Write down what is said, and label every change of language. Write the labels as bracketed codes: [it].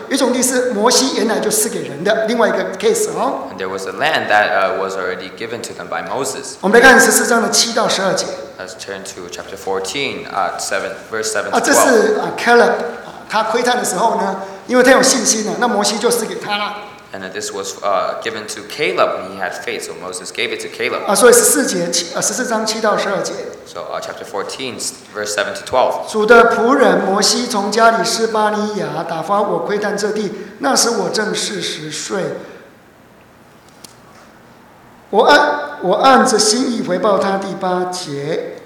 [zh] 一种地是摩西原来就赐给人的，另外一个 case 哦。 [en] And there was a land that was already given to them by Moses. [zh] 我们来看十四章的七到十二节。 [en] Let's turn to chapter 14, verse 7 to [zh] 12. 这是Caleb, 他窥探的时候呢，因为他有信心了，那摩西就赐给他了。 [en] And this was given to Caleb when he had faith, so Moses gave it to Caleb. [zh] 所以十四节十四章七到十二节。 [en] So chapter 14, verse 7 to 12. [zh] 主的仆人摩西从加利斯巴尼亚打发我窥探这地，那时我正四十岁。我按着心意回报他。第八节。